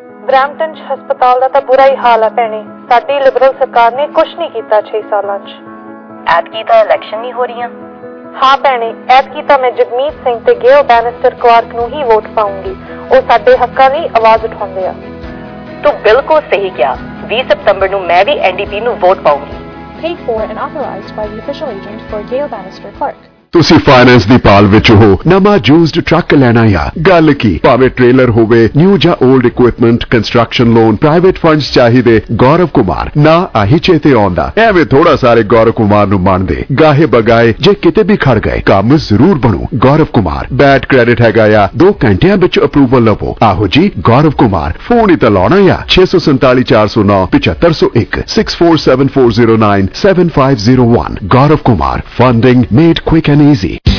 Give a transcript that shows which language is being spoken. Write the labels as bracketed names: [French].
[Punjabi] Brampton ਚ ਹਸਪਤਾਲ ਦਾ ਤਾਂ ਬੁਰਾ ਹੀ ਹਾਲ ਆ ਭੈਣੇ ਸਾਡੀ ਲਿਬਰਲ ਸਰਕਾਰ ਨੇ ਕੁਛ ਨੀ ਕੀਤਾ 6 ਸਾਲਾਂ ਚ ਐਤਕੀ ਤਾਂ ਇਲੈਕਸ਼ਨ ਨੀ ਹੋ ਰਹੀਆਂ ਹਾਂ ਭੈਣੇ ਐਤਕੀ ਤਾਂ ਮੈਂ ਜਗਮੀਤ ਸਿੰਘ ਤੇ ਗੇਲ ਬੈਨਿਸਟਰ ਕੁਆਰਕ ਨੂੰ ਹੀ ਵੋਟ ਪਾਉਂਗੀ ਉਹ ਸਾਡੇ ਹੱਕਾਂ ਲਈ ਆਵਾਜ਼ ਉਠਾਉਂਦੇ ਆ ਤੂੰ ਬਿਲਕੁਲ ਸਹੀ ਕਿਹਾ 20 ਸਪਤੰਬਰ ਨੂੰ ਮੈਂ ਵੀ NDP ਨੂੰ vote ਪਾਉਂਗੀ [English] Paid for and authorized by the official agent for Gail Bannister Clark. [Punjabi] ਤੁਸੀਂ ਫਾਈਨੈਂਸ ਦੀ ਭਾਲ ਵਿੱਚ ਹੋ ਨਵਾਂ ਯੂਜ਼ਡ ਟਰੱਕ ਲੈਣਾ ਆ ਗੱਲ ਕੀ ਭਾਵੇਂ ਟ੍ਰੇਲਰ ਹੋਵੇ ਨਿਊ ਜਾਂ old equipment construction loan private funds ਚਾਹੀਦੇ ਗੌਰਵ ਕੁਮਾਰ ਨਾ ਆਹੀ ਚੇਤੇ ਆਉਂਦਾ ਐਵੇਂ ਥੋੜਾ ਸਾਰੇ ਗੌਰਵ ਕੁਮਾਰ ਨੂੰ ਮੰਨਦੇ ਗਾਹੇ ਬਗਾਏ ਜੇ ਕਿਤੇ ਵੀ ਖੜ ਗਏ ਕੰਮ ਜ਼ਰੂਰ ਬਣੂ ਗੌਰਵ ਕੁਮਾਰ ਬੈਡ ਕ੍ਰੈਡਿਟ ਹੈਗਾ ਆ 2 ਘੰਟਿਆਂ ਵਿੱਚ ਅਪਰੂਵਲ ਲਵੋ ਆਹੋ ਜੀ ਗੌਰਵ ਕੁਮਾਰ ਫੋਨ ਹੀ ਤਾਂ ਲਾਉਣਾ ਆ 647-409-7501 ਗੌਰਵ Kumar [English] funding made quick and easy